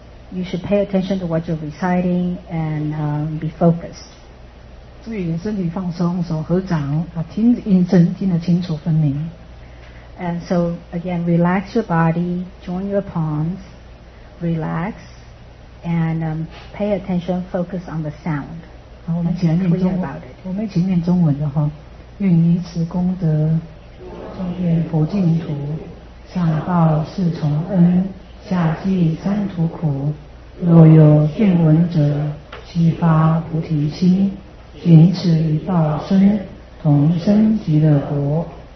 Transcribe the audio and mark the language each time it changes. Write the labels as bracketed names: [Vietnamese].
[English] You should pay attention to what you're reciting and be focused. [Chinese] 注意身体放松，手合掌，把听音声听得清楚分明。 [English] And so again, relax your body, join your palms, relax, and pay attention, focus on the sound. [Chinese] 好，我们一起来念中文。我们一起念中文的哈，愿以此功德，庄严佛净土，上报四重恩。下济三途苦，若有见闻者，悉发菩提心，仅此一报身，同生极乐国。